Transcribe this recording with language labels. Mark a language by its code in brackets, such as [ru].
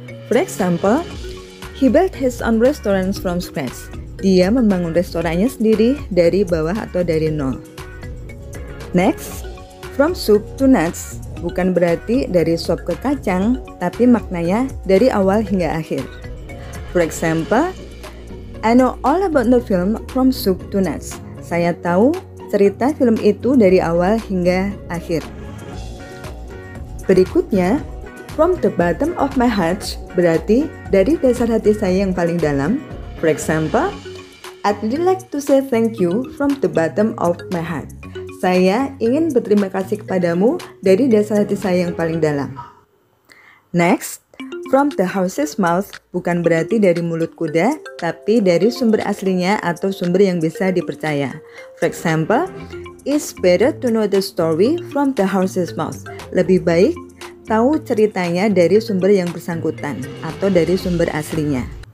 [en] For example, he built his own restaurant from scratch. [id] Dia membangun restorannya sendiri dari bawah atau dari nol. [en] Next, from soup to nuts. [id] Bukan berarti dari sop ke kacang, tapi maknanya dari awal hingga akhir. [en] For example, I know all about the film from soup to nuts. [id] Saya tahu cerita film itu dari awal hingga akhir. Berikutnya, [en] from the bottom of my heart [id] berarti dari dasar hati saya yang paling dalam. [en] For example, I'd really like to say thank you from the bottom of my heart. [id] Saya ingin berterima kasih kepadamu dari dasar hati saya yang paling dalam. [en] Next, from the horse's mouth [id] bukan berarti dari mulut kuda, tapi dari sumber aslinya atau sumber yang bisa dipercaya. [en] For example, it's better to know the story from the horse's mouth. [id] Lebih baik tahu ceritanya dari sumber yang bersangkutan atau dari sumber aslinya.